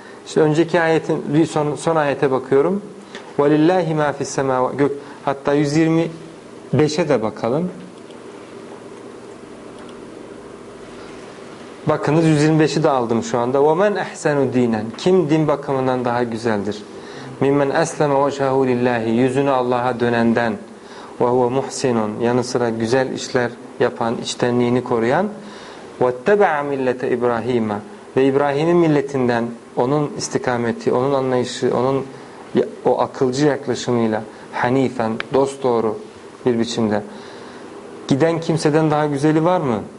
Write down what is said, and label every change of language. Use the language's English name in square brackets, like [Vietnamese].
[Turkish] İşte önceki ayetin bir son ayete bakıyorum. [Arabic] وَلِلَّهِ مَا فِي السَّمَاوَاتِ, [Turkish] hatta 125'e de bakalım. Bakınız 125'i de aldım şu anda. [Arabic] وَمَنْ اَحْسَنُ دِينًا, [Turkish] kim din bakımından daha güzeldir? [Arabic] مِمَّنْ أَسْلَمَ وَجْهَهُ لِلَّهِ, [Turkish] yüzünü Allah'a dönenden. [Arabic] وَهُوَ مُحْسِنٌ, [Turkish] yanı sıra güzel işler yapan, içtenliğini koruyan. [Arabic] وَاتَّبَعَ مِلَّةَ اِبْرَاهِيمَ, [Turkish] ve İbrahim'in milletinden, onun istikameti, onun anlayışı, onun o akılcı yaklaşımıyla, hanifen, dosdoğru bir biçimde. Giden kimseden daha güzeli var mı?